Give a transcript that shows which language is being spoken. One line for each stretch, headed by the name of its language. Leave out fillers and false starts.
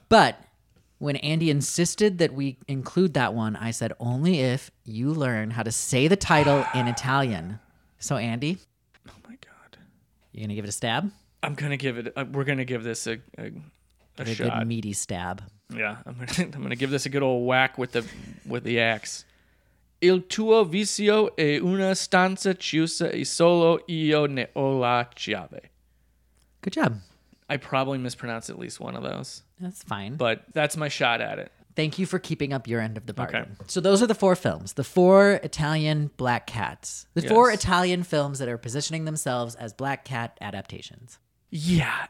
English: But when Andy insisted that we include that one, I said, only if you learn how to say the title in Italian. So, Andy? Oh, my God. You going to give it a stab? I'm going to give it. We're going to give this a shot. A good meaty stab. Yeah. I'm going to give this a good old whack with the axe.
Italian: Il tuo vizio è una stanza chiusa e solo io ne ho la chiave.
English: Good job. I probably mispronounced at least one of those. That's fine. But that's my shot at it. Thank you for keeping up your end of the bargain. Okay. So those are the 4 films. The 4 Italian Black Cats. The 4 Italian films that are positioning themselves as Black Cat adaptations. Yeah.